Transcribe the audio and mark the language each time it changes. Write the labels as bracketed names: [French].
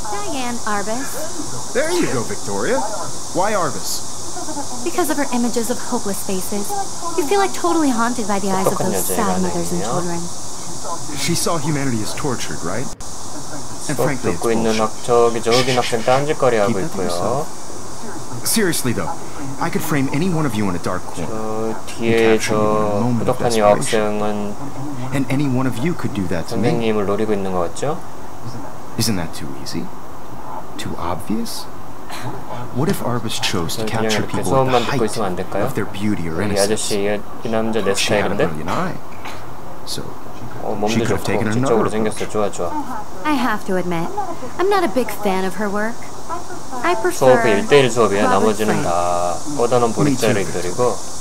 [English] Diane Arbus. There you go, Victoria. Why Arbus? Because of her images of hopeless faces. You feel like totally haunted by the eyes of those sad mothers and children. She saw humanity as tortured, right? And frankly, it's bullshit. [Korean] 저기 학생 딴짓거리하고 있고요. [English] Seriously though, I could frame any one of you in a dark corner. [Korean] 저 뒤에 저 부덕한 여학생은 [English] and any one of you could do that to me. [Korean] 선생님을 노리고 있는 것 같죠? [English] Isn't that too easy? Too obvious? What if Arbus chose to capture people of their beauty or innocence? [Korean] 이 아저씨, 이 남자 내 스타일인데? [English] So, [Korean] 몸도 좋고 직적으로 생겼어. 좋아, 좋아. [English] I have to admit, I'm not a big fan of her work. [Korean] 수업이 1대1 수업이야. 나머지는 다 꽂아놓은 보릿자를 그리고